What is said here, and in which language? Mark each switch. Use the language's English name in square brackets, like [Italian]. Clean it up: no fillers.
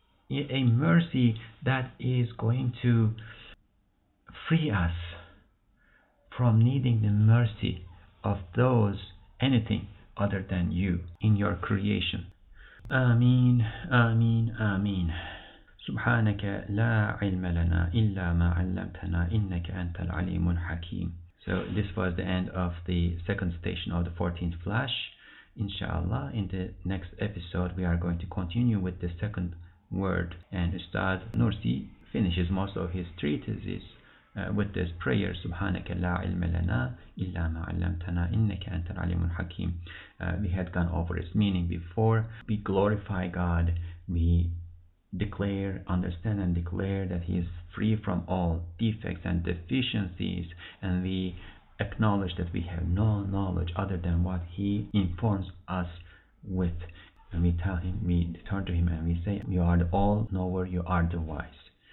[English] a mercy that is going to free us from needing the mercy of those anything other than you in your creation. Ameen, ameen, ameen. [Arabic] سبحانك لا علم لنا إلا ما علمتنا إنك أنت العليم الحكيم. [English] So this was the end of the second station of the 14th flash. Inshallah, in the next episode, we are going to continue with the second word. And Ustad Nursi finishes most of his treatises with this prayer. [Arabic] سبحانك لا علم لنا إلا ما علمتنا إنك أنت العليم الحكيم. [English] We had gone over its meaning before. We glorify God. We declare, understand and declare that he is free from all defects and deficiencies, and we acknowledge that we have no knowledge other than what he informs us with, and we tell him, we turn to him and we say, you are the all knower, you are the wise.